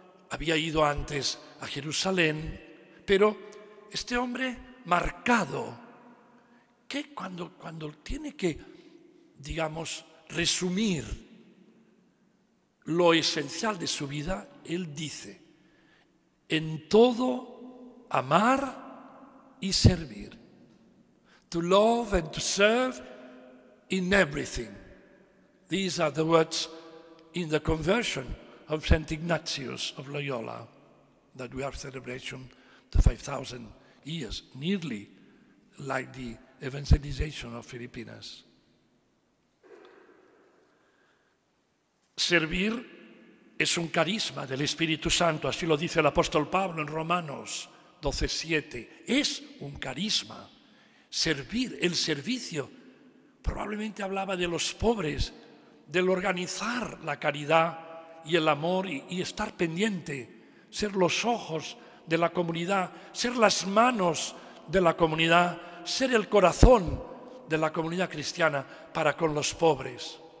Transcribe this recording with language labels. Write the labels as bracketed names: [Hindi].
[Spanish] Había ido antes a Jerusalén, pero este hombre marcado, que cuando tiene que, digamos, resumir lo esencial de su vida, él dice, en todo amar y servir. [English] To love and to serve in everything. These are the words in the conversion of St. Ignatius of Loyola that we are celebrating the 5,000 years, nearly like the evangelization of Filipinas. [Spanish] Servir es un carisma del Espíritu Santo, así lo dice el apóstol Pablo en Romanos 12:7. Es un carisma. Servir, el servicio, probablemente hablaba de los pobres, del organizar la caridad y el amor y estar pendiente, ser los ojos de la comunidad, ser las manos de la comunidad, ser el corazón de la comunidad cristiana para con los pobres.